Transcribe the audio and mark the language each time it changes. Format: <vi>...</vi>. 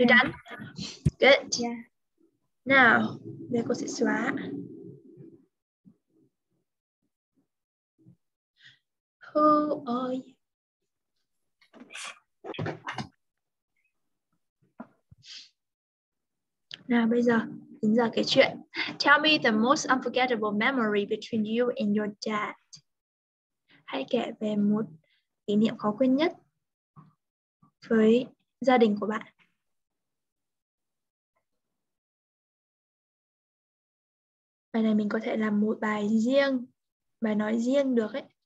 <en>You done? Good. Yeah. Now,</en> <vi>để cô sẽ xóa.</vi> <en>Who are you? Now,</en> <vi>bây giờ, đến giờ cái chuyện.</vi> <en>Tell me the most unforgettable memory between you and your dad.</en> <vi>Hãy kể về một kỷ niệm khó quên nhất với gia đình của bạn. Bài này mình có thể làm một bài riêng, bài nói riêng được ấy.</vi>